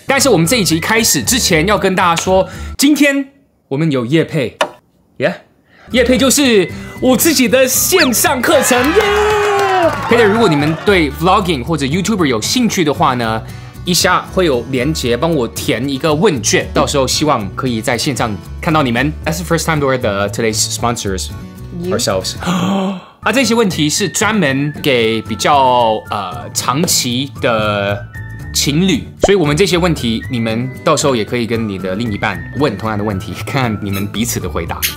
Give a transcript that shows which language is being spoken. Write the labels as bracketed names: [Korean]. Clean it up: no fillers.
[Chinese] 但是我们这一集开始之前，要跟大家说，今天我们有业配，耶、yeah? ！业配就是我自己的线上课程耶。 Peter， 如果你们对 Vlogging 或者 YouTuber 有兴趣的话呢？一下会有连结，帮我填一个问卷，到时候希望可以在线上看到你们。 [English] That's the first time we're the today's sponsors ourselves. [Chinese] 啊，这些问题是专门给比较长期的情侣，所以我们这些问题你们到时候也可以跟你的另一半问同样的问题，看你们彼此的回答。